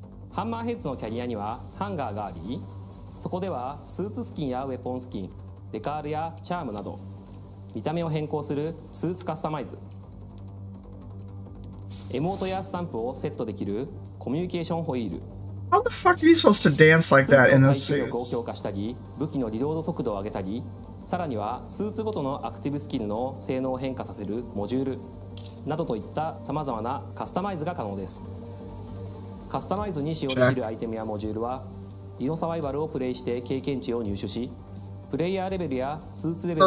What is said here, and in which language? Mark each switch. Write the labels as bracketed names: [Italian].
[Japanese] ハンマーヘッズのキャリアにはハンガーがあり、そこではスーツスキンやウェポンスキン、デカールやチャームなど見た目を変更するスーツカスタマイズ、エモートやスタンプをセットできるコミュニケーションホイール、 [English] How the fuck are you supposed to dance like that in those suits? [Japanese] 攻撃力を強化したり、武器のリロード速度を上げたり、さらにはスーツごとのアクティブスキルの性能を変化させるモジュールなどといったさまざまなカスタマイズが可能です。カスタマイズに使用できるアイテムやモジュールは、ディノサバイバルをプレイして経験値を入手し、プレイヤーレベルやスーツレベル